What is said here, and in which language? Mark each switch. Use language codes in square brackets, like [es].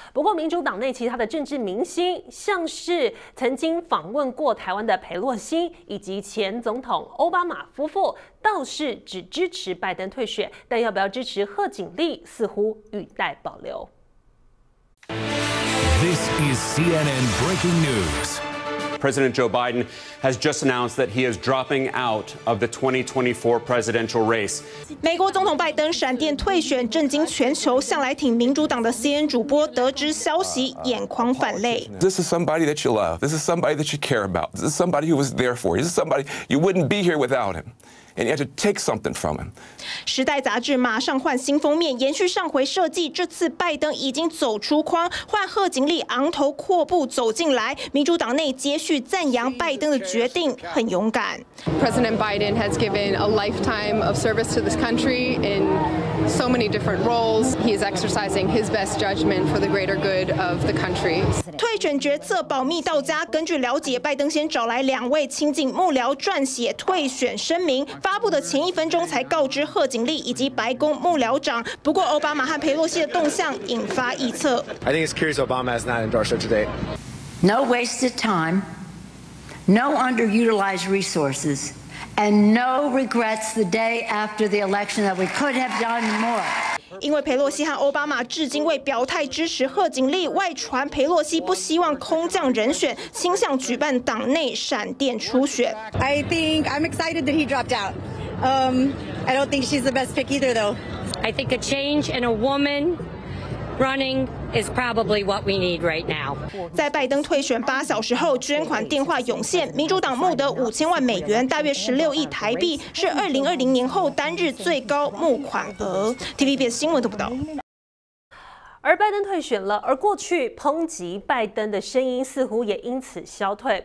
[zh] 不过民主党内其他的政治明星，像是曾经访问过台湾的裴洛西以及前总统奥巴马夫妇，倒是只支持拜登退选，但要不要支持贺锦丽似乎语带保留。 [en] This is CNN Breaking News. President Joe Biden has just announced that he is dropping out of the 2024 presidential race. [zh] 美国总统拜登闪电退选，震惊全球。向来挺民主党的 CNN 主播得知消息，眼眶泛泪。 [en] This is somebody that you love. This is somebody that you care about. This is somebody who was there for you. This is somebody you wouldn't be here without him. And you have to take something from him. [zh] 时代杂志马上换新封面，延续上回设计。这次拜登已经走出框，换贺锦丽昂头阔步走进来。民主党内接续赞扬拜登的决定很勇敢。 [en] President Biden has given a lifetime of service to this country in so many different roles. He is exercising his best judgment for the greater good of the country. [zh] 退选决策保密到家。根据了解，拜登先找来两位亲近幕僚撰写退选声明。发布的前一分钟才告知贺锦丽以及白宫幕僚长。不过，奥巴马和佩洛西的动向引发臆测。 [en] I think it's curious Obama has not endorsed her today. No wasted time, no underutilized resources, and no regrets the day after the election that we could have done more. [zh] 因为佩洛西和奥巴马至今未表态支持贺锦丽，外传佩洛西不希望空降人选，倾向举办党内闪电初选。 [en] I think I'm excited that he dropped out. I don't think she's the best pick either, though. I think a change in a woman running is probably what we need right now. [zh] 在拜登退选八小时后，捐款电话涌现，民主党募得$5,000,000，大约16亿台币，是2020年后单日最高募款额。 TVBS 新闻都不到。而拜登退选了，而过去抨击拜登的声音似乎也因此消退。